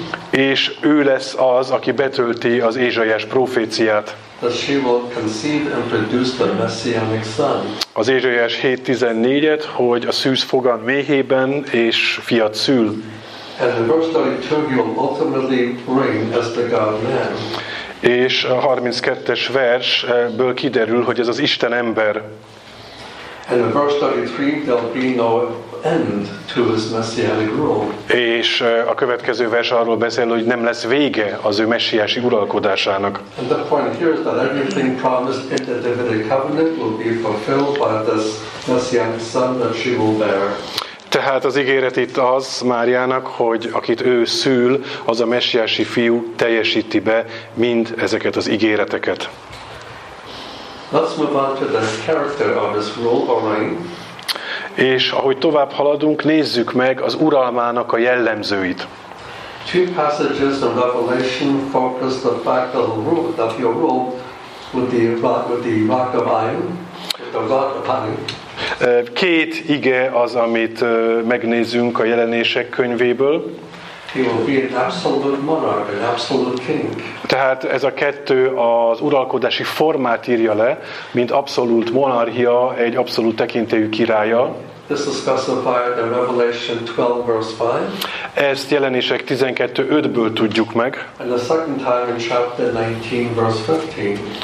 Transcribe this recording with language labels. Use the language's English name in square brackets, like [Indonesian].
[Hungarian] És ő lesz az, aki betölti az Ézsaiás proféciát. [English] That she will conceive and produce the messianic son. [Hungarian] Az Ézsaiás 7:14-et, hogy a szűz fogant méhében és fiat szül. [English] And the verse 32 will ultimately reign as the God-man. [Hungarian] És a 32-es versből kiderül, hogy ez az Isten ember. [English] And the verse 33 there'll be no end to his messianic rule. [Hungarian] És a következő vers arról beszél, hogy nem lesz vége az ő messiási uralkodásának. [English] And the point here is that everything promised in the Davidic covenant will be fulfilled by this messianic son that she will bear. [Hungarian] Tehát az ígéret itt az Máriának, hogy akit ő szül, az a messiási fiú teljesíti be mind ezeket az ígéreteket. [English] Let's move on to the character of his rule or reign. [Hungarian] És ahogy tovább haladunk, nézzük meg az uralmának a jellemzőit. [English] Two passages in Revelation focus the fact that he'll rule with the rock of iron, with the rock of iron. [Hungarian] Két ige az, amit megnézünk a Jelenések könyvéből. [English] He will be an absolute monarch, an absolute king. [Hungarian] Tehát ez a kettő az uralkodási formát írja le, mint abszolút monarchia, egy abszolút tekintélyű királya. [English] This is specified in Revelation 12, verse 5. [Hungarian] Ezt Jelenések 12:5-ből tudjuk meg. [English] And the second time in chapter 19, verse 15.